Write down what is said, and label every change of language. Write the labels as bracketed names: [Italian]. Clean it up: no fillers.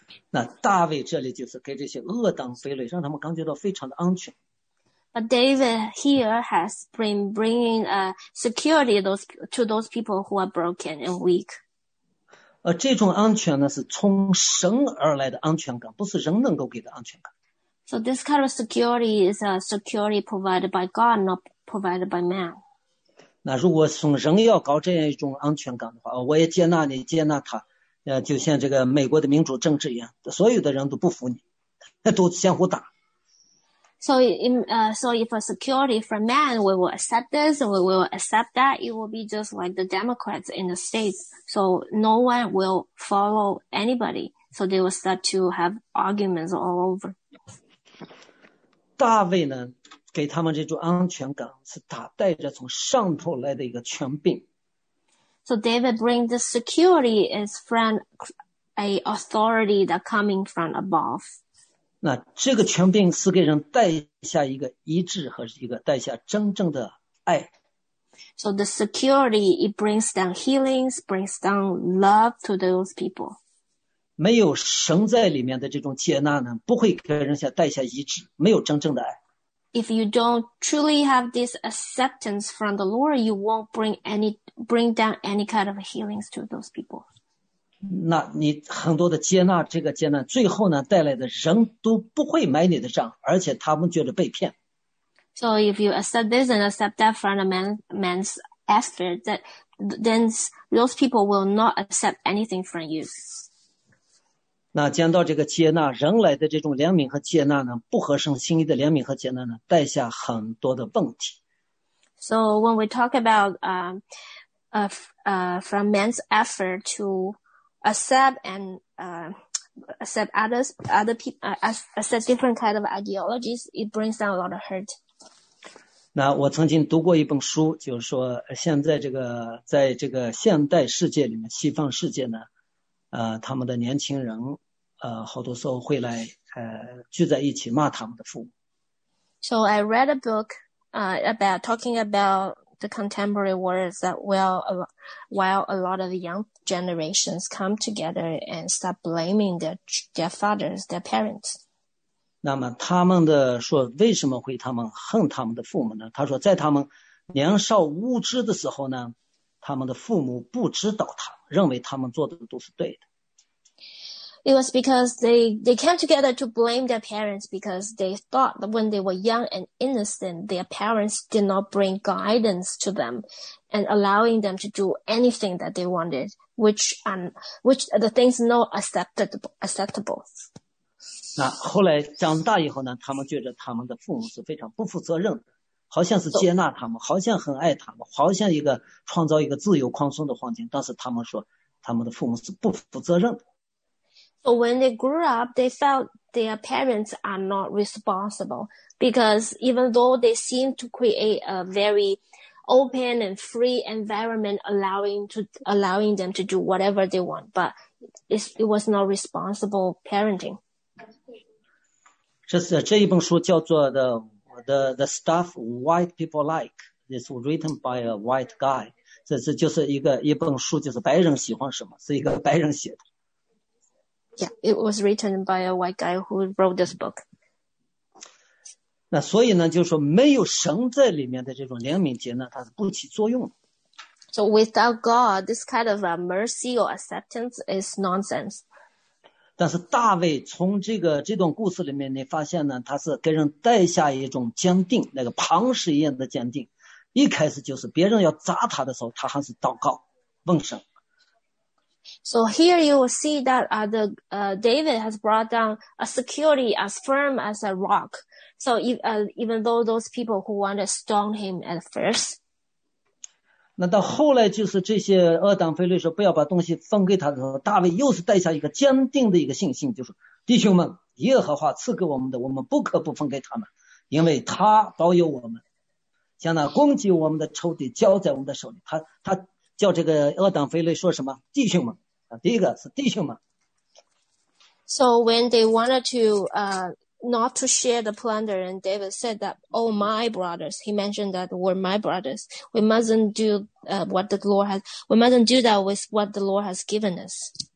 [Chinese] 那大卫这里就是给这些恶党肥累，让他们感觉到非常的安全。 [English] But David here has been bringing security to those people who are broken and weak. [Chinese] 这种安全呢是从神而来的安全感，不是人能够给的安全感。 [English] So this kind of security is a security provided by God, not provided by man. [Chinese] 那如果从人要搞这样一种安全感的话，我也接纳你，接纳他，就像这个美国的民主政治一样，所有的人都不服你，都相互打。 [English] So if a security from man, we will accept this, we will accept that, it will be just like the Democrats in the States. So no one will follow anybody. So they will start to have arguments all over. [Chinese] 大卫呢，给他们这种安全感是带着从上头来的一个权柄。 [English] So David brings the security is from a authority that coming from above. [Chinese] 那这个权柄是给人带下一个医治和一个带下真正的爱。 [English] So the security, it brings down healings, brings down love to those people. [Chinese] 没有神在里面的这种接纳呢，不会给人家带下医治，没有真正的爱。 [English] If you don't truly have this acceptance from the Lord, you won't bring down any kind of healings to those people. [Chinese] 那你很多的接纳这个接纳最后呢带来的人都不会买你的账，而且他们觉得被骗。 [English] So if you accept this and accept that from a man's effort, that then those people will not accept anything from you. [Chinese] 那讲到这个接纳人来的这种怜悯和接纳呢，不合神心意的怜悯和接纳呢，带下很多的问题。 [English] So when we talk about from man's effort to accept and accept others, other people, accept different kind of ideologies, it brings down a lot of hurt. [Chinese] 那我曾经读过一本书，就是说现在这个在这个现代世界里面，西方世界呢，他们的年轻人，好多时候会来聚在一起骂他们的父母。 [English] So I read a book, about talking about the contemporary words that while a lot of the young generations come together and start blaming their fathers, their parents. [Chinese] 那么他们的说为什么会他们恨他们的父母呢？他说在他们年少无知的时候呢，他们的父母不指导他，认为他们做的都是对的。 [English] It was because they came together to blame their parents because they thought that when they were young and innocent, their parents did not bring guidance to them and allowing them to do anything that they wanted, which are the things not acceptable. [Chinese] 那后来长大以后呢，他们觉得他们的父母是非常不负责任的，好像是接纳他们，好像很爱他们，好像一个创造一个自由宽松的环境，但是他们说他们的父母是不负责任的。 [English] So when they grew up, they felt their parents are not responsible because even though they seem to create a very open and free environment allowing them to do whatever they want, but it was not responsible parenting. [Chinese] 这一本书叫做 The Stuff White People Like. [English] It's written by a white guy. [Chinese] 这是就是一本书，就是白人喜欢什么，是一个白人写的。 [English] Yeah, it was written by a white guy who wrote this book. [Chinese] 那所以呢，就是说没有神在里面的这种怜悯节呢，它是不起作用的。 [English] So without God, this kind of a mercy or acceptance is nonsense. [Chinese] 但是大卫从这段故事里面，你发现呢，他是给人带下一种坚定，那个磐石一样的坚定。一开始就是别人要砸他的时候，他还是祷告，问神。 [English] So here you will see that David has brought down a security as firm as a rock. So even though those people who want to stone him at first. [Chinese] 那到后来就是这些恶党非利士不要把东西分给他的时候，大卫又是带下一个坚定的一个信心，就是弟兄们，耶和华赐给我们的，我们不可不分给他们，因为他保佑我们，将那攻击我们的仇敌交在我们的手里。他叫这个恶党非利说什么？弟兄们，第一个是弟兄们。 [English] So when they wanted to not to share the plunder, and David said that, "Oh my brothers," he mentioned that were my brothers. We mustn't do we mustn't do that with what the Lord has given us.